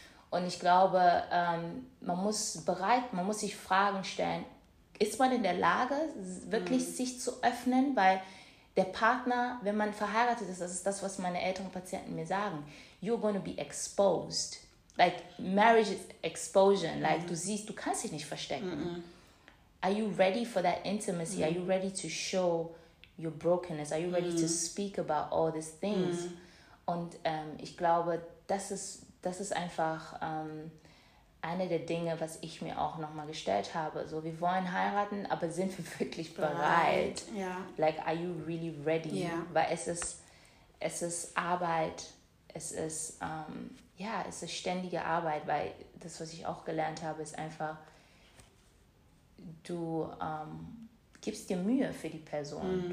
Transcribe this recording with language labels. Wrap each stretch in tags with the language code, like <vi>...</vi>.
<de>Und ich glaube, man muss sich Fragen stellen, ist man in der Lage, wirklich sich zu öffnen? Weil der Partner, wenn man verheiratet ist, das ist das, was meine älteren Patienten mir sagen,</de> <en>you're going to be exposed. Like, marriage is exposure. Like,</en> <de>du siehst, du kannst dich nicht verstecken.</de> <en>Mm-mm. Are you ready for that intimacy? Mm. Are you ready to show your brokenness? Are you ready to speak about all these things? Mm.</en> <de>Und ich glaube, das ist einfach eine der Dinge, was ich mir auch nochmal gestellt habe. So, wir wollen heiraten, aber sind wir wirklich bereit? Yeah.</de> <en>Like, are you really ready? Yeah.</en> <de>Weil es ist Arbeit, es ist ständige Arbeit, weil das, was ich auch gelernt habe, ist einfach, du gibst dir Mühe für die Person. Mm.</de>